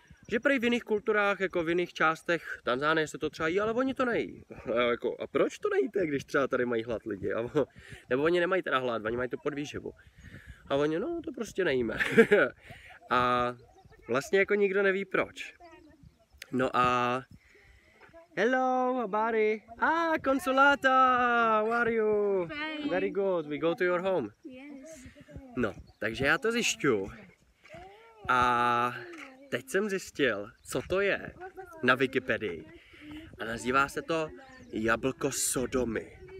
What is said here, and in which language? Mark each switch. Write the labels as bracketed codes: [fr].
[cs] Že prý v jiných kulturách, jako v jiných částech Tanzánie se to třeba jí, ale oni to nejí. A, jako, a proč to nejíte, když třeba tady mají hlad lidi? A, nebo oni nemají teda hlad, oni mají to pod výživu. A oni, no to prostě nejíme. A vlastně jako nikdo neví proč. No a... [en] Hello, [cs] Abari. [en] Ah, Consolata, how are you? Fine. Very good, we go to your home. [cs] No, takže já to zjišťu a teď jsem zjistil, co to je na Wikipedii a nazývá se to jablko Sodomy.